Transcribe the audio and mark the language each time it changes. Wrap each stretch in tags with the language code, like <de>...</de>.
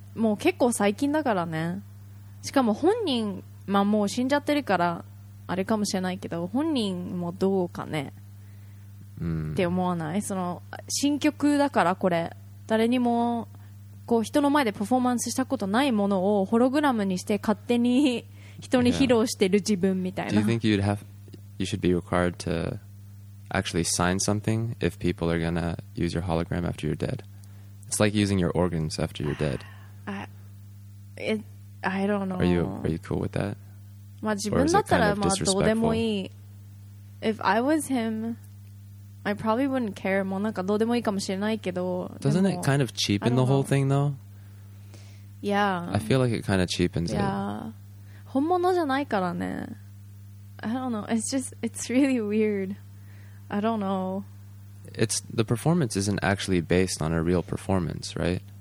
<ja>もう結構最近だからね。しかも本人、まあ、もう死んじゃってるからあれかもしれないけど、本人もどうかね、って思わない？その新曲だから、これ誰にもこう人の前でパフォーマンスしたことないものをホログラムにして勝手に人に披露してる自分みたいな。</ja> <en>Do you think you'd have, you should be required to actually sign something if people are gonna use your hologram after you're dead? It's like using your organs after you're dead. I don't know. Are you cool with that?</en> <ja>まあ自分だったらまあどうでもいい。</ja> <en>If I was him, I probably wouldn't care.</en> <ja>もうなんかどうでもいいかもしれないけど。</ja> <en>Doesn't it kind of cheapen the whole thing though? Yeah. I feel like it kind of cheapens it. Yeah.</en> <ja>本物じゃないからね。</ja> <en>I don't know. It's just, it's really weird. I don't know. It's, the performance isn't actually based on a real performance, right?</en>